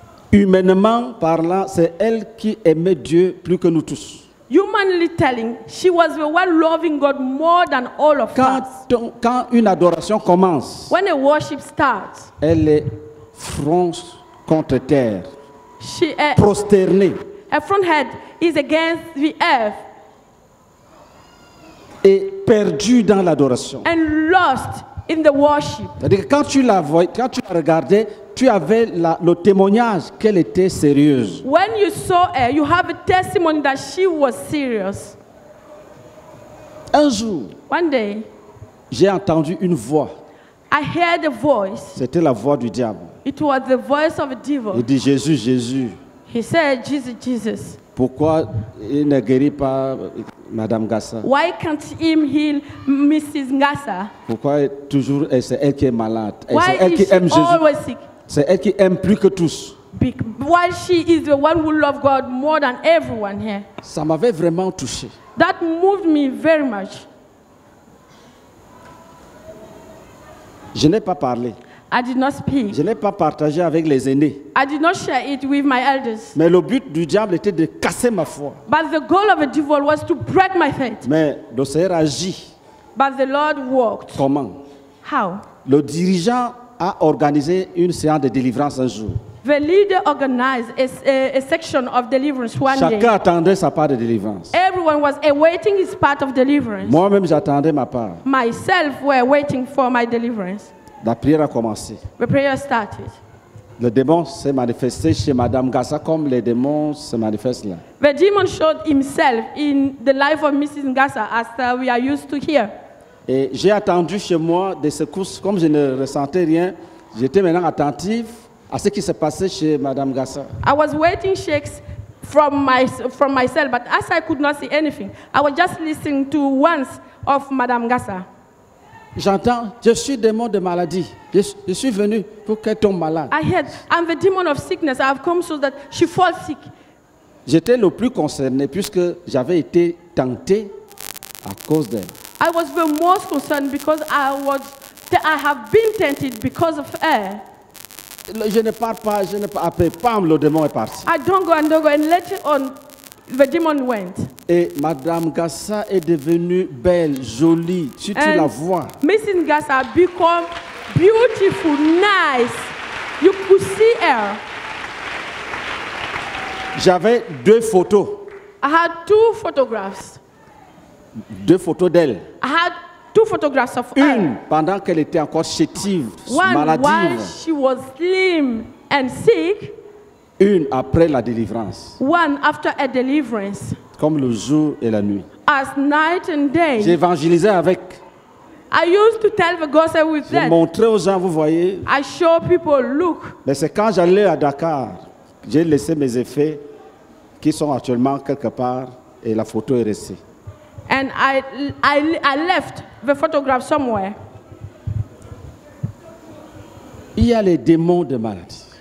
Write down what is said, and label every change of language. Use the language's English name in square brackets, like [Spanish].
[French] Humainement parlant, c'est elle qui aimait Dieu plus que nous tous. [English] Humanly telling, she was the one loving God more than all of [French] us. Quand une adoration commence, [English] when a worship starts, [French] elle est front contre terre, [English] she [French] prosternée. [English] Her front head is against the earth. [French] Et perdue dans l'adoration. [English] And lost in the worship. [French] C'est-à-dire que quand tu la vois, quand tu la regardais, tu avais le témoignage qu'elle était sérieuse. [English] When you saw her, you have a testimony that she was serious. [French] Un jour, [English] one day, [French] j'ai entendu une voix. [English] I heard a voice. [French] C'était la voix du diable. [English] It was the voice of a devil. [French] Il dit Jésus, Jésus. [English] He said, Jesus, Jesus. [French] Pourquoi il ne guérit pas Madame Ngasa? [English] Why can't him heal Mrs. Ngasa? [French] Pourquoi toujours c'est elle qui est malade? [English] Why [French] c'est elle [English] is [French] qui aime [English] she [French] Jésus? [English] Always sick? [French] C'est elle qui aime plus que tous. [English] While she is the one who loves God more than everyone here. [French] Ça m'avait vraiment touché. [English] That moved me very much. [French] Je n'ai pas parlé. [English] I did not speak. [French] Je n'ai pas partagé avec les aînés. [English] I did not share it with my elders. [French] Mais le but du diable était de casser ma foi. [English] But the goal of the devil was to break my faith. [French] Mais le Seigneur agit. [English] But the Lord worked. [French] Comment? [English] How? [French] Le dirigeant a organisé une séance de délivrance un jour. [English] The leader organized a section of deliverance one [French] Chacun [English] day. [French] Chacun attendait sa part de délivrance. [English] Everyone was awaiting his part of deliverance. [French] Moi-même, j'attendais ma part. [English] Myself were waiting for my deliverance. [French] La prière a commencé. [English] The prayer started. [French] Le démon s'est manifesté chez Madame Ngasa comme les démons se manifestent là. [English] The demon showed himself in the life of Mrs. Ngasa as we are used to hear. [French] Et j'ai attendu chez moi des secousses comme je ne ressentais rien. J'étais maintenant attentif à ce qui se passait chez Madame Ngasa. [English] I was waiting shakes from myself, but as I could not see anything, I was just listening to once of Madame Ngasa. [French] J'entends, je suis démon de maladie. Je suis venu pour qu'elle tombe malade. [English] I heard, I'm the demon of sickness. I have come so that she falls sick. [French] J'étais le plus concerné puisque j'avais été tenté à cause d'elle. [English] I was the most concerned because I have been tempted because of her. [French] Je ne pars pas, je ne pars pas. Pam, le démon est parti. [English] I don't go, and later on, the demon went. [French] Et Madame Ngasa est devenue belle, jolie. Si [English] and [French] tu la vois. [English] Mrs. Ngasa become beautiful, nice. You could see her. [French] J'avais deux photos. [English] I had two photographs. [French] Deux photos d'elle. [English] I had two photographs of [French] Une, [English] her. [French] Une pendant qu'elle était encore chétive, [English] One, [French] maladive. [English] One while she was slim and sick. [French] Une après la délivrance. [English] One after a deliverance. [French] Comme le jour et la nuit. [English] As night and day. [French] J'évangélisais avec. [English] I used to tell the gospel with them. [French] Je montrais aux gens, vous voyez. [English] I show people, look. [French] Mais c'est quand j'allais à Dakar, j'ai laissé mes effets qui sont actuellement quelque part et la photo est restée. [English] And I left the photograph somewhere. [French] Il y a les démons de maladie.